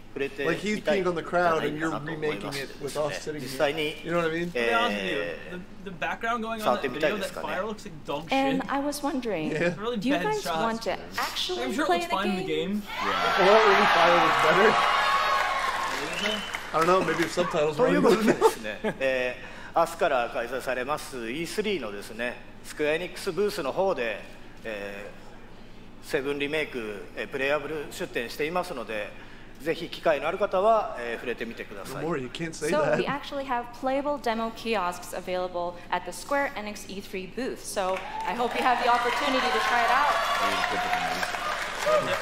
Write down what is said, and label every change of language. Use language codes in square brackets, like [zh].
[en] Like, he's peeing on the crowd, and you're remaking it with us sitting here. You know what I mean? The background going on that video, that fire looks like dog shit. And I was wondering, do you guys want to actually play the game? I'm sure it looks fine in the game. Yeah. Well, maybe fire looks better. I don't know, maybe if subtitles were in the game. [ja] 明日から開催されます E3 のですね、スクエアニックスブースの方で、セブンリメイク、プレイアブル出展していますので、ぜひ機会のある方は、触れてみてください。 [en] Lamori, you can't say that. So we actually have playable demo kiosks available at the Square Enix E3 booth. So I hope you have the opportunity to try it out.